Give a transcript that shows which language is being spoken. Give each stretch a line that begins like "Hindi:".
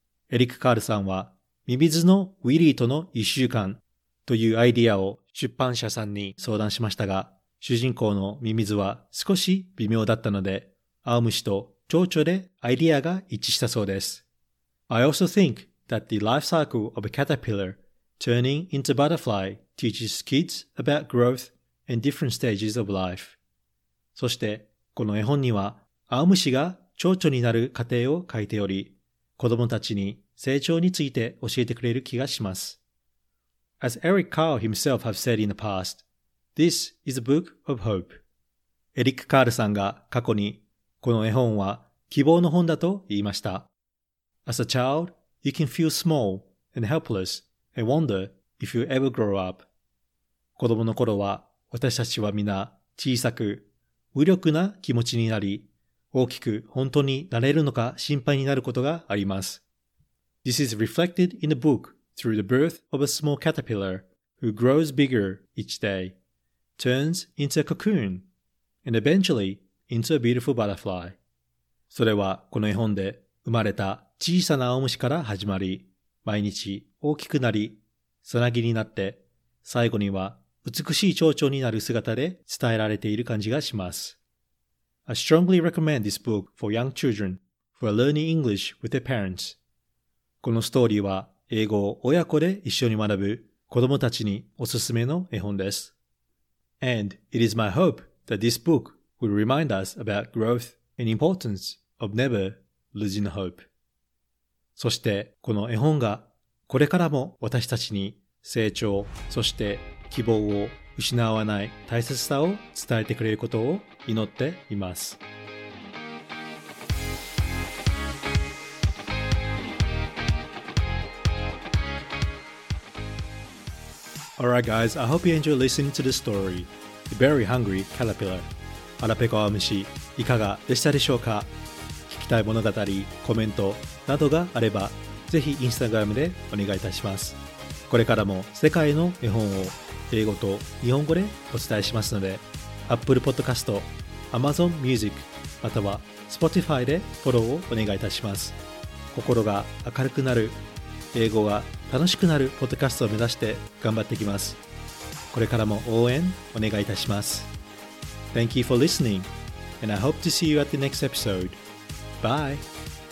Japanese: エリック・カールさんはミミズのウィリーとの一週間というアイディアを出版社さんに相談しましたが、主人公のミミズは少し微妙だったので、青虫と蝶々でアイディアが一致したそうです。
English: I also think that the life cycle of a caterpillar turning into butterfly teaches kids about growth and different stages of life.
Japanese: そして、この絵本には青虫が蝶々になる過程を書いており、子供たちに成長について教えてくれる気がします。
English: As Eric Carle himself have said in the past, this is a book of hope.
Japanese: エリック・カールさんが過去にこの絵本は希望の本だと言いました。
English: As a child, you can feel small and helpless and wonder if you ever grow up.
Japanese: 子供の頃は私たちは皆小さく無力な気持ちになり、大きく本当になれるのか心配になることがあります。
English: This is reflected in the book through the birth of a small caterpillar who grows bigger each day, turns into a cocoon, and eventually into a beautiful butterfly.
Japanese: それはこの絵本で生まれた小さな青虫から始まり、毎日大きくなり、さなぎになって、最後には美しい蝶々になる姿で伝えられている感じがします。
English: I strongly recommend this book for young children who are learning English with their parents.
Japanese: このストーリーは英語を親子で一緒に学ぶ子供たちにおすすめの絵本です。
English: And it is my hope that this book will remind us about growth and importance of never losing hope.
Japanese: そしてこの絵本がこれからも私たちに成長、そして希望を失わない大切さを伝えてくれることを祈っています。
English: Alright guys, I hope you enjoy listening to the story, The Very Hungry Caterpillar.
Japanese: アラペコアムシ、いかがでしたでしょうか？聞きたい物語、コメントなどがあれば、ぜひインスタグラムでお願いいたします。これからも世界の絵本を英語と日本語でお伝えしますので、Apple Podcast、Amazon Music、または Spotify でフォローをお願いいたします。心が明るくなる、英語が楽しくなるポッドキャストを目指して頑張っていきます。これからも応援お願いいたします。
English: Thank you for listening, and I hope to see you at the next episode. Bye!